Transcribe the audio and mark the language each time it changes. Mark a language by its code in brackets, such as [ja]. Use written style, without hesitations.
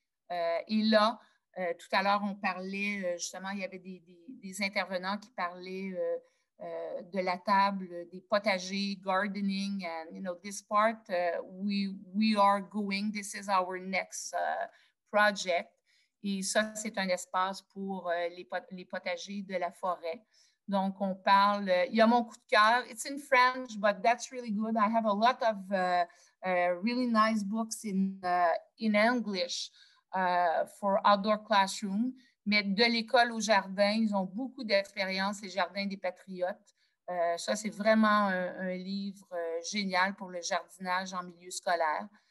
[fr] Et là, tout à l'heure, on parlait, justement, il y avait des intervenants qui parlaient de la table, des potagers, [en] gardening, and, you know, this part, we are going, this is our next project. [fr] Et ça, c'est un espace pour les potagers de la forêt. Donc, on parle, il y a mon coup de cœur, [en] it's in French, but that's really good. I have a lot of... really nice books in English for outdoor classroom. [fr] Mais de l'école au jardin, ils ont beaucoup d'expérience, les Jardins des Patriotes. Ça, c'est vraiment un livre génial pour le jardinage en milieu scolaire.